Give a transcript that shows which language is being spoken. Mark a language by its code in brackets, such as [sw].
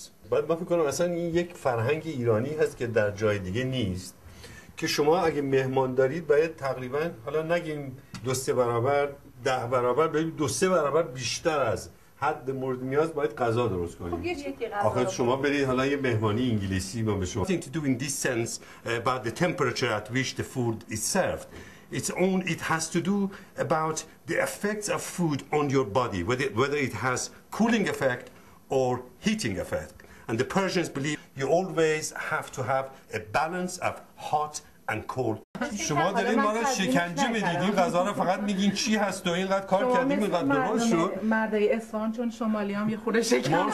[fa] بعد من فکر کنم اصلا این یک فرهنگ ایرانی هست که در جای دیگه نیست، که شما اگه مهمان دارید باید تقریبا، حالا نگیم دو سه برابر، ده برابر، باید دو سه برابر بیشتر از حد مورد نیاز باید غذا درست کنید. آخه شما برید حالا یه مهمانی انگلیسی با به شما. [en] Thing to do in this sense about the temperature at which the food is served. It has to do about the effects of food on your body, whether it has cooling effect or heating effect. And the Persians believe you always have to have a balance of hot and cold. [fa] شما دارین ما رو شکنجه میدید، این غذا رو فقط میگین چی هست و اینقدر کار کردیم اینقدر درست شد. مردای اصفهان چون شمالی هم یه خورده شکنجه